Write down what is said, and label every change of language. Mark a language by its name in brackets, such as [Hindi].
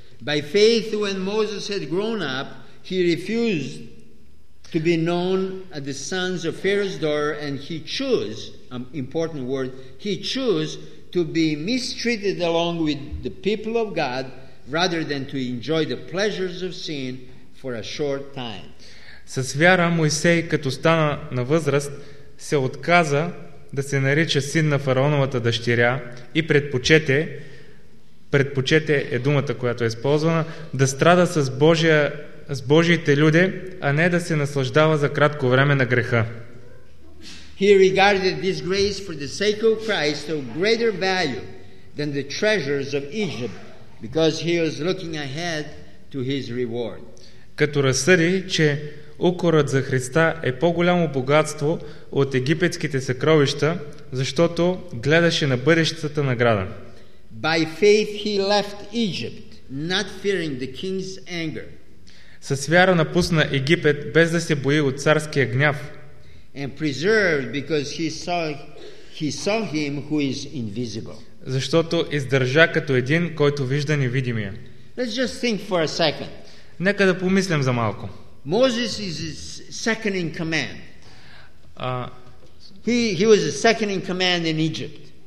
[English] By faith when Moses had grown up, he refused to be known as the sons of Pharaoh's daughter, and he chose, important word, he chose to be mistreated along with the people of God rather than to enjoy the pleasures of sin for a short time. [Bulgarian] С вяра Моисей, като стана на възраст, се отказа да се нарича син на фараоновата дъщеря и предпочете е думата, която е използвана, да страда с Божия с Божиите люди, а не да се наслаждава за кратко време на греха. [English] He regarded this grace for the sake of Christ of greater value than the treasures of Egypt, because he was looking ahead to his reward. [Bulgarian] Като разсъди, че укорът за Христа е по-голямо богатство от египетските съкровища, защото гледаше на бъдещата награда. [English] By faith he left Egypt, not fearing the king's anger. [Bulgarian] Със вяра напусна Египет, без да се бои от царския гняв. [English] And preserved because he saw him who is invisible. [Bulgarian] Защото издържа като един, който вижда невидимия. [English] Let's just think for a second. [Bulgarian] Нека да помислим за малко. [English] Moses is second in command. He was a second in command in Egypt.